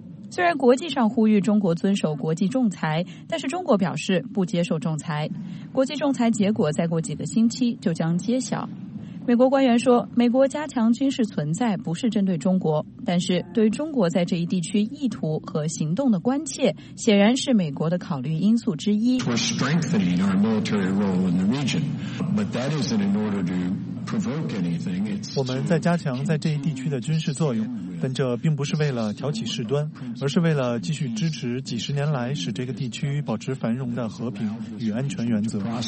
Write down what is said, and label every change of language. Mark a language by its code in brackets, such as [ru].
[zh] 虽然国际上呼吁中国遵守国际仲裁，但是中国表示不接受仲裁。国际仲裁结果再过几个星期就将揭晓。美国官员说，美国加强军事存在不是针对中国，但是对中国在这一地区意图和行动的关切显然是美国的考虑因素之一。 [en] We're strengthening our military role in the region, but that isn't in order to provoke anything. [zh] 我们在加强在这一地区的军事作用，但这并不是为了挑起事端，而是为了继续支持几十年来使这个地区保持繁荣的和平与安全原则。